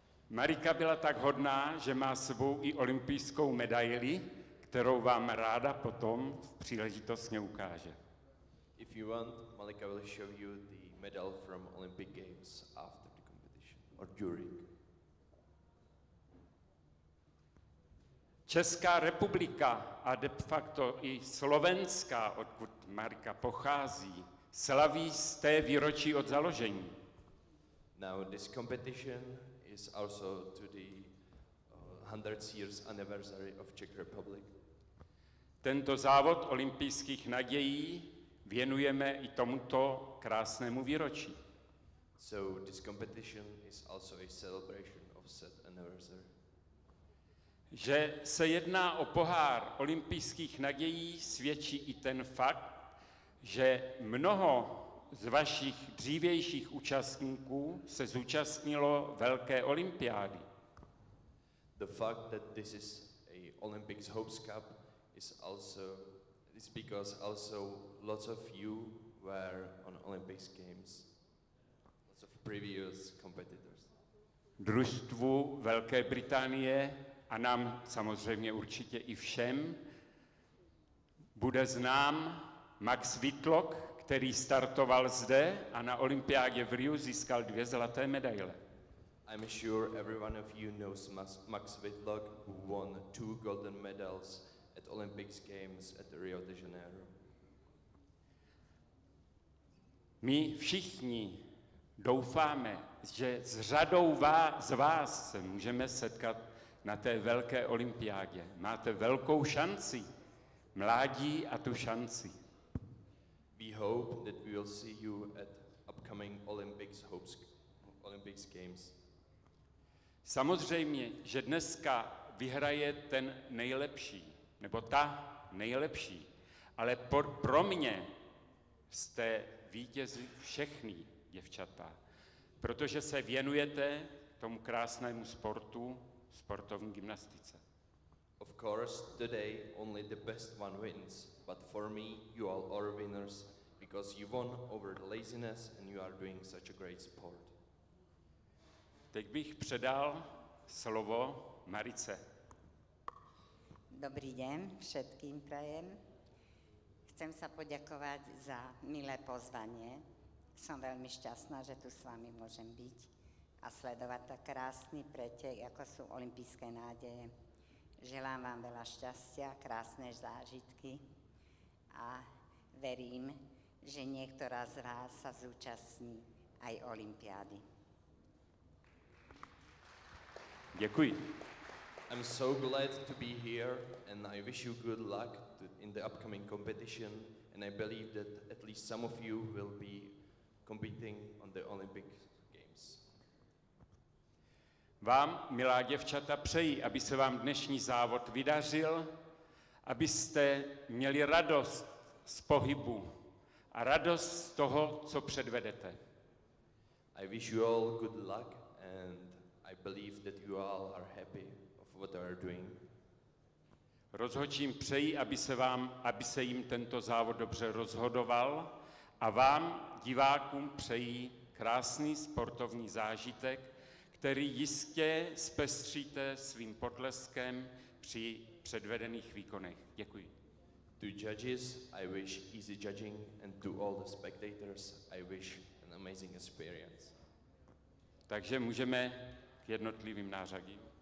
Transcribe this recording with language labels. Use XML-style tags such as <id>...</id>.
<cs>Marika byla tak hodná, že má s sebou i olympijskou medaili, kterou vám ráda potom v příležitostně ukáže.</cs> <en>If you want, Malika will show you the medal from Olympic Games after the competition or during.</en> <cs>Česká republika a de facto i slovenská, odkud Marika pochází, slaví sté výročí od založení.</cs> <en>Now this competition is also to the 100th years anniversary of Czech Republic.</en> <cs>Tento závod olympijských nadějí věnujeme i tomuto krásnému výročí.</cs> <en>So this competition is also a celebration of said anniversary.</en> <cs>Že se jedná o pohár olympijských nadějí, svědčí i ten fakt, že mnoho z vašich dřívějších účastníků se zúčastnilo velké olympiády.</cs> <en>The fact that this is a Olympics hopes cup is also is because also lots of you were on Olympics games, lots of previous competitors.</en> <cs>Družstvu Velké Británie a nám samozřejmě určitě i všem bude znám Max Whitlock, který startoval zde a na olympiádě v Riu získal dvě zlaté medaile.</cs> <en>I'm sure every one of you knows Max Whitlock, who won two golden medals at Olympics Games at Rio de Janeiro.</en> <cs>My všichni doufáme, že s řadou z vás se můžeme setkat na té velké olympiádě. Máte velkou šanci, mládí a tu šanci.</cs> <en>We hope that we will see you at upcoming Olympics hopes, Olympics Games.</en> <cs>Samozřejmě, že dneska vyhraje ten nejlepší, nebo ta nejlepší, ale pro mě jste vítězi všechny, děvčata, protože se věnujete tomu krásnému sportu, sportovní gymnastice.</cs> <en>Of course, today only the best one wins, but for me, you all are winners, because you won over the laziness and you are doing such a great sport.</en> <cs>Teď bych předal slovo Marice.</cs> <sk>Dobrý den všetkým prajem. Chcem sa poďakovať za milé pozvanie. Som veľmi šťastná, že tu s vami môžem byť a sledovať tak krásny pretek, ako sú olympijské nádeje. Želám vám veľa šťastia, krásne zážitky a verím, že niektorá z vás sa zúčastní aj olympiády.</sk> <cs>Děkuji.</cs> <en>I'm so glad to be here and I wish you good luck in the upcoming competition and I believe that at least some of you will be competing on the Olympic Games.</en> <cs>Vám, milá děvčata, přeji, aby se vám dnešní závod vydařil, abyste měli radost z pohybu a radost z toho, co předvedete.</cs> <en>I wish you all good luck and I believe that you all are happy of what you are doing.</en> <cs>Rozhodčím přeji, aby se jim tento závod dobře rozhodoval a vám, divákům, přeji krásný sportovní zážitek, který jistě zpestříte svým potleskem při předvedených výkonech. Děkuji.</cs> <en>To judges, I wish easy judging and to all the spectators, I wish an amazing experience.</en> <cs>Takže můžeme k jednotlivým nářadím.</cs>